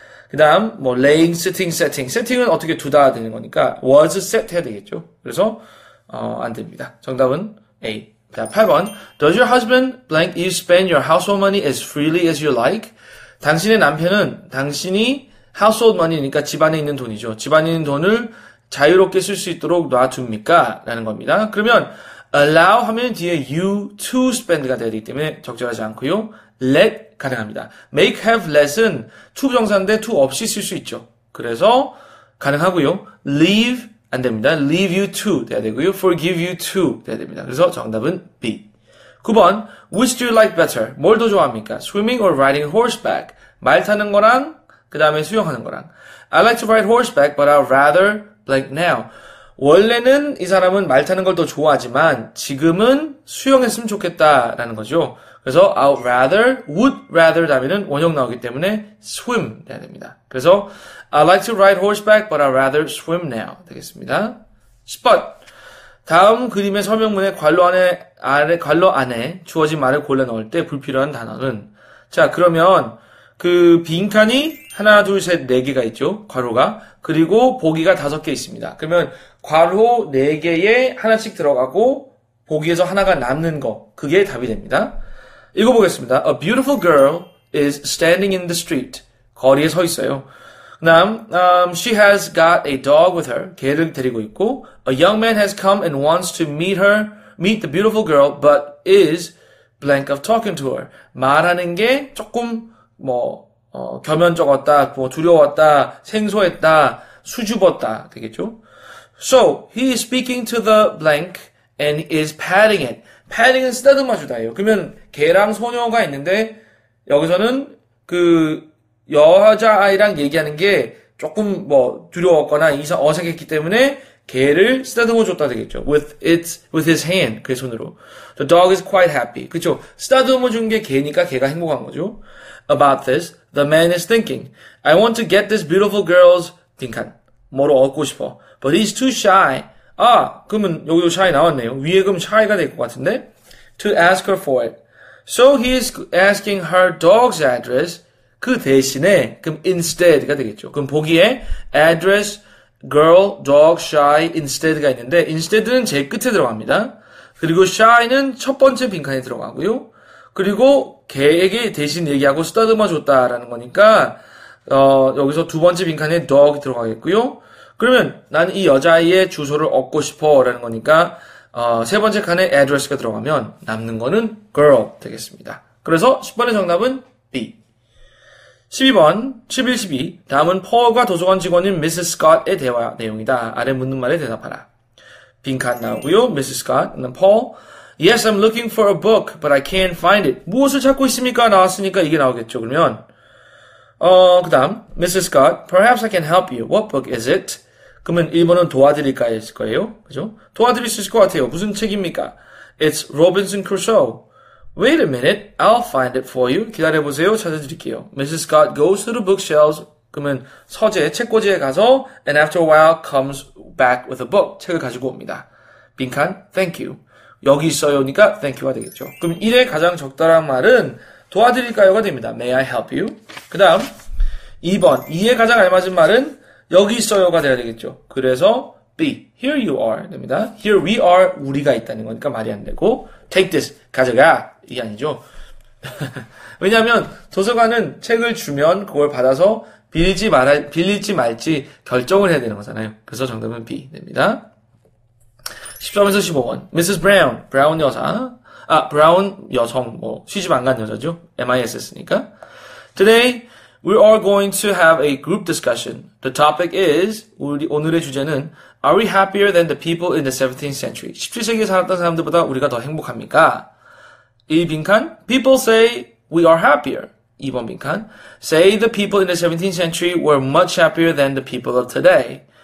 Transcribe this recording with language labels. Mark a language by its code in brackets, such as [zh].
[ko] 그 다음 뭐 laying, sitting, setting. setting은 어떻게 두다 되는 거니까 was set 해야 되겠죠. 그래서 안 됩니다. 정답은 A. 자, 8번. [en] Does your husband blank you spend your household money as freely as you like? [ko] 당신의 남편은 당신이 household money니까 집안에 있는 돈이죠. 집안에 있는 돈을 자유롭게 쓸 수 있도록 놔둡니까? 라는 겁니다. 그러면 allow 하면 뒤에 you to spend가 되기 때문에 적절하지 않고요. let 가능합니다. make have let은 to 부정사인데 to 없이 쓸 수 있죠. 그래서 가능하고요. leave 안 됩니다. [en] Leave you to [ko] 돼야 되고요. [en] Forgive you to [ko] 돼야 됩니다. 그래서 정답은 B. 9번. [en] Which do you like better? [ko] 뭘 더 좋아합니까? [en] Swimming or riding horseback? [ko] 말 타는 거랑 그 다음에 수영하는 거랑. [en] I like to ride horseback, but I'd rather blank now. [ko] 원래는 이 사람은 말 타는 걸 더 좋아하지만 지금은 수영했으면 좋겠다라는 거죠. 그래서 I'd rather, would rather 다음에는 원형 나오기 때문에 swim 돼야 됩니다. 그래서 [en] I'd like to ride horseback, but I'd rather swim now. [ko] 되겠습니다. 10번. 다음 그림의 서명문에 관로 안에 주어진 말을 골라 넣을 때 불필요한 단어는? 자, 그러면 그 빈칸이 하나, 둘, 셋, 네 개가 있죠. 괄호가. 그리고 보기가 다섯 개 있습니다. 그러면 괄호 네 개에 하나씩 들어가고 보기에서 하나가 남는 거. 그게 답이 됩니다. 읽어보겠습니다. [en] A beautiful girl is standing in the street. [ko] 거리에 서 있어요. 다음, [en] she has got a dog with her. [ko] 개를 데리고 있고, [en] a young man has come and wants to meet the beautiful girl, but is blank of talking to her. [ko] 말하는 게 조금 뭐 겸연쩍었다, 뭐 두려웠다, 생소했다, 수줍었다 되겠죠? [en] So he is speaking to the blank and is patting it. [ko] Patting은 쓰다듬어 주다예요. 그러면 개랑 소녀가 있는데 여기서는 그 여자아이랑 얘기하는 게 조금 뭐 두려웠거나 어색했기 때문에 개를 쓰다듬어 줬다 되겠죠. [en] With his hand, [ko] 그의 손으로. [en] The dog is quite happy. [ko] 그쵸? 쓰다듬어 준게 개니까 개가 행복한 거죠. [en] About this, the man is thinking, I want to get this beautiful girl's 딩칸. [ko] 뭐로 얻고 싶어. [en] But he's too shy. [ko] 아, 그러면 여기도 shy 나왔네요. 위에 그럼 shy가 될것 같은데? [en] To ask her for it. So he is asking her dog's address. [ko] 그 대신에, 그럼 instead가 되겠죠. 그럼 보기에 address, girl, dog, shy, instead가 있는데, instead는 제일 끝에 들어갑니다. 그리고 shy는 첫 번째 빈칸에 들어가고요. 그리고 개에게 대신 얘기하고 쓰다듬어줬다라는 거니까, 여기서 두 번째 빈칸에 dog 들어가겠고요. 그러면 나는 이 여자아이의 주소를 얻고 싶어라는 거니까, 세 번째 칸에 address가 들어가면 남는 거는 girl 되겠습니다. 그래서 10번의 정답은 B. 12번, 11, 12. 다음은 폴과 도서관 직원인 미스 스콧의 대화 내용이다. 아래 묻는 말에 대답하라. 빈칸 나오고요. 미스 스콧, 그다음 폴. [en] Yes, I'm looking for a book, but I can't find it. [ko] 무엇을 찾고 있습니까? 나왔으니까 이게 나오겠죠. 그러면 그다음 [en] 미스 스콧, Perhaps I can help you. What book is it? [ko] 그러면 1번은 도와드릴까 했을 거예요. 그죠? 도와드릴 수 있을 것 같아요. 무슨 책입니까? [en] It's Robinson Crusoe. Wait a minute, I'll find it for you. [ko] 기다려보세요, 찾아드릴게요. [en] Mrs. Scott goes to the bookshelves. [ko] 그러면 서재, 책꽂이에 가서, [en] and after a while comes back with a book. [ko] 책을 가지고 옵니다. 빈칸, [en] thank you. [ko] 여기 있어요니까 thank you가 되겠죠. 그럼 1에 가장 적절한 말은 도와드릴까요가 됩니다. [en] May I help you? [ko] 그 다음, 2번. 2에 가장 알맞은 말은 여기 있어요가 돼야 되겠죠. 그래서 B, [en] here you are [ko] 됩니다. [en] Here we are, [ko] 우리가 있다는 거니까 말이 안 되고, [en] take this, [ko] 가져가. 이게 아니죠. 왜냐하면 도서관은 책을 주면 그걸 받아서 빌리지 말지 결정을 해야 되는 거잖아요. 그래서 정답은 B 됩니다. 10점에서 15번. Mrs. Brown, 브라운 여사. 아, 브라운 여성, 뭐 시집 안간 여자죠. MIS니까. [en] Today we are going to have a group discussion. The topic is [ko] 오늘의 주제는 [en] Are we happier than the people in the 17th century? [ko] 17세기에 살았던 사람들보다 우리가 더 행복합니까? [en] 1 빈칸, people say we are happier. 2번 빈칸, say the people in the 17th century were much happier than the people of today.